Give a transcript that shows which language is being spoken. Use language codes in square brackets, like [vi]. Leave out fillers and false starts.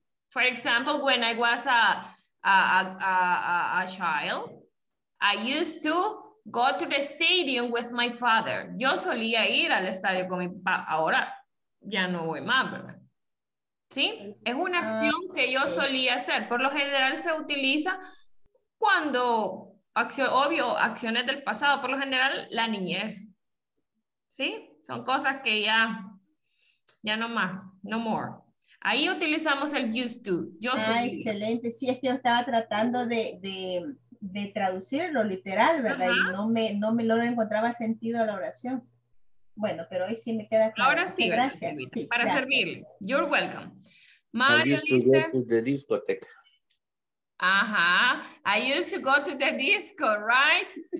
[en] For example, when I was a child, I used to go to the stadium with my father. [es] Yo solía ir al estadio con mi papá. Ahora ya no voy más, ¿verdad? ¿Sí? Es una acción que yo solía hacer. Por lo general se utiliza cuando, acciones del pasado. Por lo general, la niñez. ¿Sí? Son cosas que ya no más. [en] No more. [es] Ahí utilizamos el used to. Yo solía. Ah, excelente. Sí, es que yo estaba tratando de traducirlo literal, ¿verdad? Ajá. Y no me lo encontraba sentido a la oración. Bueno, pero hoy sí me queda claro. Ahora sí, gracias. Sí, para gracias. Servir. [en] You're welcome. Mario, I used to go to the discotheque. [es] Ajá. [en] I used to go to the disco, right?